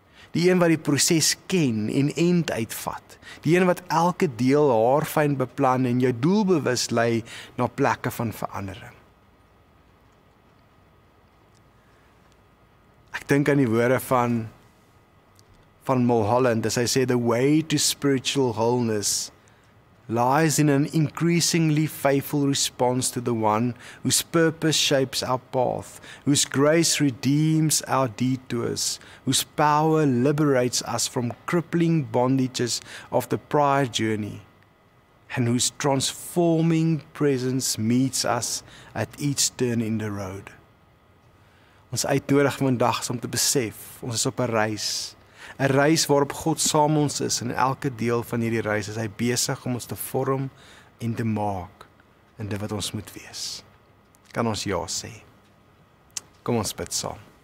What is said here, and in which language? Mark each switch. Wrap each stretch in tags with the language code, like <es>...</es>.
<af>Die een wat die proses ken en end uitvat. Die een wat elke deel haarfyn beplan en jou doelbewus lei na plekke van verandering. Ek dink aan die woorde van Mulholland, as hy sê,</af> <en>the way to spiritual wholeness lies in an increasingly faithful response to the one whose purpose shapes our path, whose grace redeems our detours, whose power liberates us from crippling bondages of the prior journey, and whose transforming presence meets us at each turn in the road.</en> <af>Ons uitnodig vandag om te besef, ons is op 'n reis. 'n Reis waarop God saam ons is en elke deel van hierdie reis is hy besig om ons te vorm en te maak in dit wat ons moet wees. Kan ons ja sê? Kom ons bid saam.</af>